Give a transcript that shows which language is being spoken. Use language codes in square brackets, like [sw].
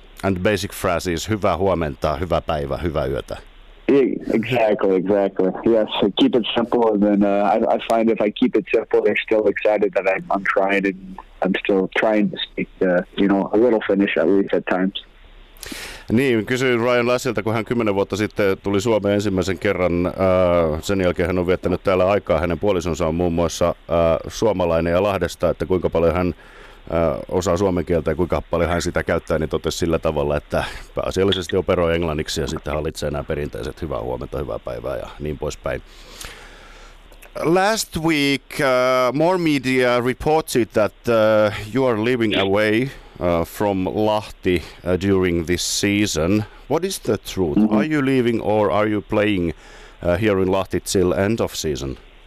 [en] And the basic phrase is [fi] hyvää huomenta, hyvää päivää, hyvää yötä. [en] Exactly. Yes, keep it simple. And then I find if I keep it simple, they're still excited that I'm trying, and I'm still trying to speak, a little Finnish at least at times. [fi] Niin, kysyin Ryan Lashilta, kun hän 10 vuotta sitten tuli Suomeen ensimmäisen kerran. Sen jälkeen hän on viettänyt täällä aikaa. Hänen puolisonsa on muun muassa suomalainen ja Lahdesta, että kuinka paljon hän osaa suomen kieltä ja kuinka paljon hän sitä käyttää, niin totesi sillä tavalla, että pääasiallisesti operoi englanniksi ja sitten hallitsee nämä perinteiset hyvää huomenta, hyvää päivää ja niin poispäin. [en] Last week, more media reported that you are living away from Lahti during this season. What is the truth? Mm-hmm. Are you leaving or are you playing here in Lahti till end of season?